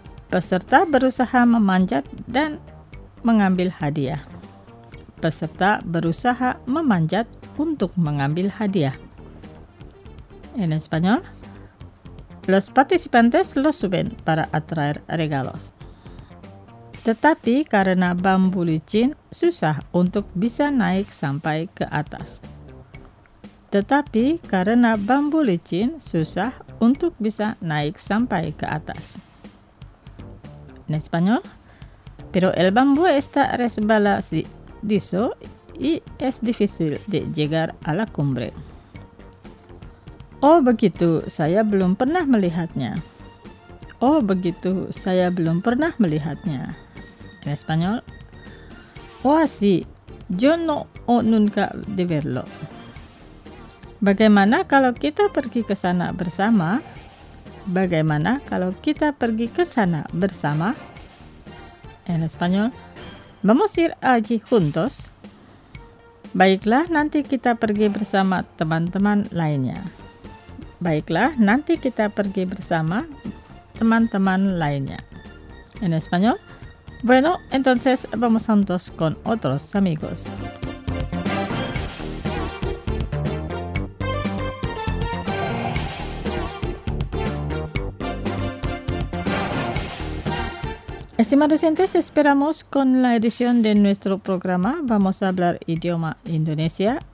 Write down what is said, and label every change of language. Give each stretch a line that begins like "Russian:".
Indonesian: Peserta berusaha memanjat dan mengambil hadiah. Peserta berusaha memanjat untuk mengambil hadiah.
Spanish: En español, los participantes lo suben para atraer regalos.
Indonesian: Tetapi karena bambu licin, susah untuk bisa naik sampai ke atas. Tetapi karena bambu licin, susah untuk bisa naik sampai ke atas.
Spanish: En español, pero el bambú está resbaladizo y es difícil de llegar a la cumbre.
Indonesian: Oh begitu, saya belum pernah melihatnya. Oh begitu, saya belum pernah melihatnya.
Spanish: En español. Oh así, yo no nunca de verlo.
Indonesian: Bagaimana kalau kita pergi ke sana bersama? Bagaimana kalau kita pergi ke sana bersama?
Spanish: En español. Vamos ir allí juntos.
Indonesian: Baiklah, nanti kita pergi bersama teman-teman lainnya. Baiklah, nanti kita pergi bersama teman-teman lainnya.
Spanish: En español. Bueno, entonces vamos juntos con otros amigos. Estimados oyentes, esperamos con la edición de nuestro programa Vamos a hablar idioma Indonesia.